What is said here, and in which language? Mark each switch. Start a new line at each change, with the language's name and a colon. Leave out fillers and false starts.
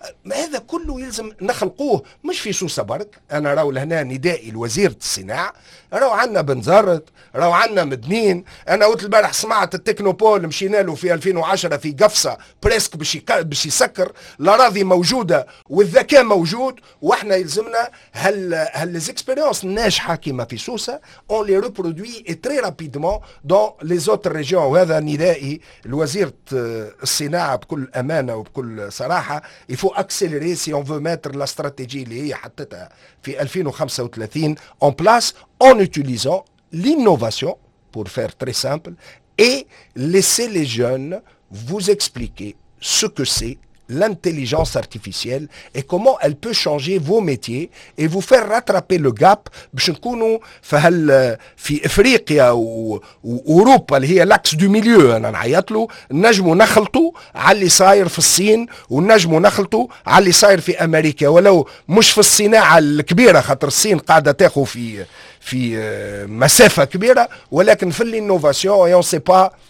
Arabic: ما هذا كله يلزم نخلقوه مش في سوسة برك. انا راهو لهنا ندائي لوزيرة الصناعة، راهو عنا بنزرت، راهو عنا مدنين. انا قلت البارح سمعت التكنوبول مشينا له في 2010 في قفصة بريسك باش يسكر، الاراضي موجودة والذكاء موجود، واحنا يلزمنا هل زيكسبيريونس ناجحة كيما في سوسة
French: on les reproduit et très rapidement dans les autres régions.
Arabic: وهذا ندائي الوزيرة الصناعة بكل أمانة وبكل صراحة,
French: il faut accélérer si on veut mettre la stratégie
Arabic: اللي هي حطتها في
French: 2035 en place en utilisant l'innovation, pour faire très simple, et laisser les jeunes vous expliquer ce que c'est l'intelligence artificielle et comment elle peut changer vos métiers et vous faire rattraper le gap.
Arabic: باش نكونوا في هل في افريقيا واوروبا اللي هي لاكس دو ميليو انا نعيط له, نجموا نخلطوا على اللي صاير في الصين ونجموا نخلطوا على اللي صاير في امريكا, ولو مش في الصناعه الكبيره خاطر الصين قاعده تاخو في مسافه كبيره, ولكن في الانوفاسيون
French: اون سي با.